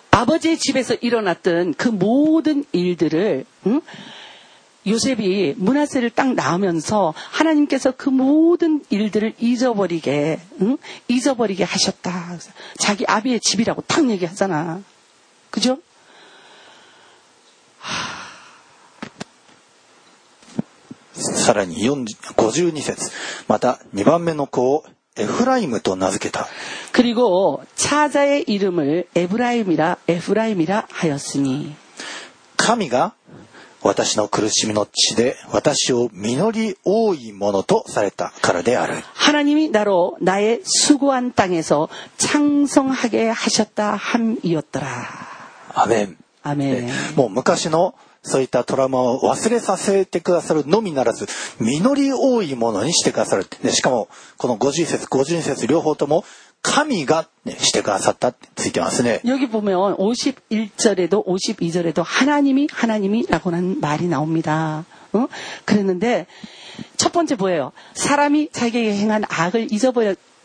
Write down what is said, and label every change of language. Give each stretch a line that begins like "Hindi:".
Korean: 아버지의집에서일어났던그모든일들을요셉이므낫세를딱낳으면서하나님께서그모든일들을잊어버리게잊어버리게하셨다자기아비의집이라고딱얘기하잖아그죠
Japanese: さらに52節また2番目の子をエフライムと名付けた。
Korean: 그리고차자의이름을에브라임이라하였으니
Japanese: 神が私の苦しみの地で私を実り多いものとされたからである。
Korean: 하나님이나로나의수고한땅에서창성하게하셨다함이었더라 아멘 아멘
Japanese: もう昔のそういったトラウマを忘れさせてくださるのみならず実り多いものにしてくださる、ね、しかもこの50節52節両方とも神が、ね、してくださったってついてますね。
Korean: 여기보면51절에도52절에도하나님이하나님이라고는말이나옵니다응그랬는데첫번째뭐예요사람이자기에게행한악을잊어버려